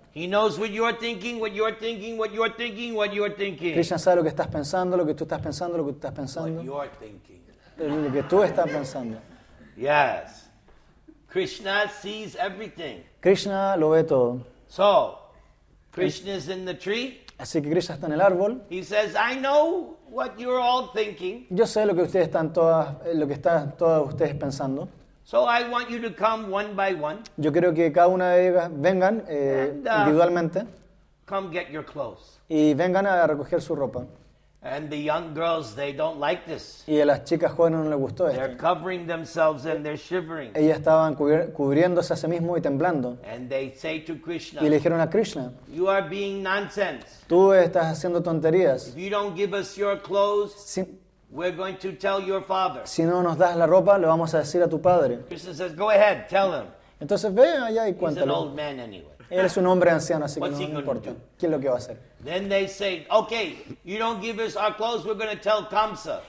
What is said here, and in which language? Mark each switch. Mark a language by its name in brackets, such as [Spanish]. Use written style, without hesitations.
[English] He knows what you're thinking, what you're thinking, what you're thinking, what you're thinking. [Spanish] Krishna sabe lo que estás pensando, lo que tú estás pensando, lo que tú estás pensando. [English] What you're thinking. [Spanish] Lo que tú estás pensando. [English] Yes. Krishna sees everything. [Spanish] Krishna lo ve todo. [English] So, Krishna is in the tree. [Spanish] Así que Krishna está en el árbol. [English] He says, I know what you're all thinking. [Spanish] Yo sé lo que ustedes están todas, lo que están todas ustedes pensando. [English] So I want you to come one by one. [Spanish] Yo quiero que cada una de ellas vengan [English] and, [Spanish] individualmente. [English] Come get your clothes. [Spanish] Y vengan a recoger su ropa. [English] And the young girls, they don't like this. [Spanish] Y a las chicas jóvenes no les gustó esto. [English] They're covering themselves and they're shivering. [Spanish] Ellas estaban cubriéndose a sí mismos y temblando. [English] And they say to Krishna. [Spanish] Y le dijeron a Krishna. [English] You are being nonsense. [Spanish] Tú estás haciendo tonterías. [English] If you don't give us your clothes. [Spanish] Si [English] we're going to tell your father. [Spanish] Si no nos das la ropa, le vamos a decir a tu padre. [English] Krishna says, go ahead, tell him. [Spanish] Entonces ve allá y cuéntale. [English] He's an old man anyway. [Spanish] Él es un hombre anciano, así que no importa. ¿Qué es lo que va a hacer? [English] Then they say, okay, you don't give us our clothes, we're going to tell Kamsa.